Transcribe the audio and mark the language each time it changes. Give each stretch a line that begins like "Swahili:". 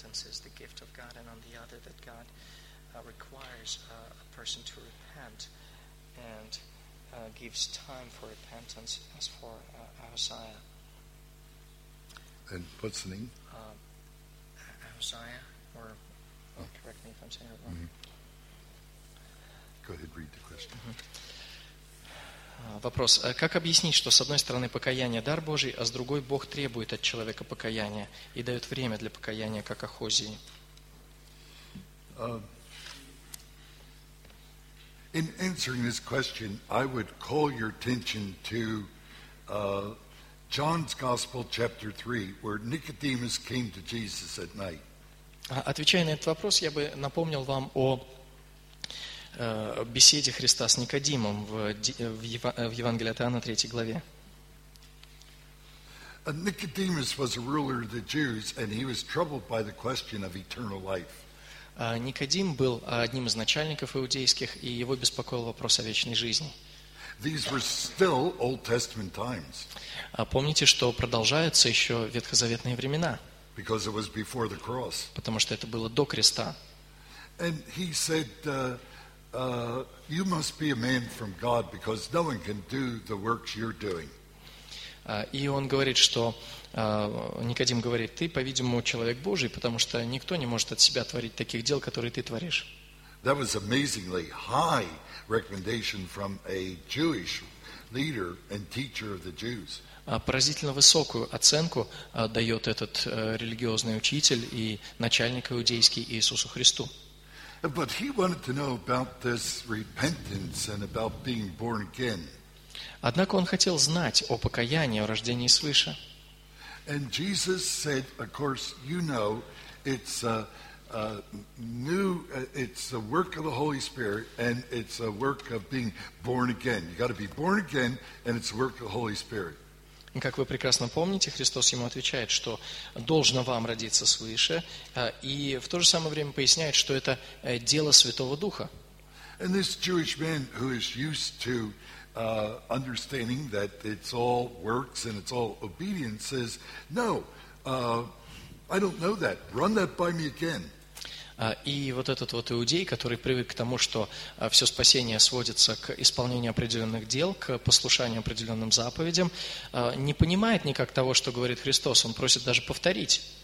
English: Is the gift of God, and on the other, that God requires a person to repent and gives time for repentance, as for Ahaziah. And what's the name? Ahaziah, or oh. Correct me if I'm saying it wrong. Mm-hmm. Go ahead, read the question. Mm-hmm.
Russian: Вопрос. Как объяснить, что с одной стороны покаяние – дар Божий, а с другой – Бог требует от человека покаяния и дает время для покаяния, как Ахозии?
English: In answering this question, I would call your attention to John's Gospel, chapter 3, where Nicodemus came to Jesus at night.
Russian: Отвечая на этот вопрос, я бы напомнил вам о беседе Христа с Никодимом в Евангелии от Иоанна, 3 главе.
English: Nicodemus was a ruler of the Jews, and he was troubled by the question of eternal life.
Russian: Никодим был одним из начальников иудейских, и его беспокоил вопрос о вечной жизни.
English: These were still Old Testament times.
Russian: Помните, что продолжаются еще ветхозаветные времена.
English: Because it was before the cross.
Russian: Потому что это было до креста.
English: And he said, you must be a man from God because no one can do the works you're doing.
Russian: И он говорит, что Никодим говорит: ты, по-видимому, человек Божий, потому что никто не может от себя творить таких дел, которые ты творишь.
English: That was amazingly high recommendation from a Jewish leader and teacher of the Jews.
Russian: Поразительно высокую оценку дает этот религиозный учитель и начальник иудейский Иисусу Христу.
English: But he wanted to know about this repentance and about being born again.
Russian: Однако он хотел знать о покаянии, о рождении свыше.
English: And Jesus said, of course, you know, it's a new, it's a work of the Holy Spirit, and it's a work of being born again. You got to be born again, and it's a work of the Holy Spirit.
Russian: Как вы прекрасно помните, Христос ему отвечает, что должно вам родиться свыше, и в то же самое время поясняет, что это дело Святого Духа.
English: And this Jewish man who is used to understanding that it's all works and it's all obedience says, no, I don't know that. Run that by me again.
Russian: И вот этот вот иудей, который привык к тому, что все спасение сводится к исполнению определенных дел, к послушанию определенным заповедям, не понимает никак того, что говорит Христос. Он просит даже повторить.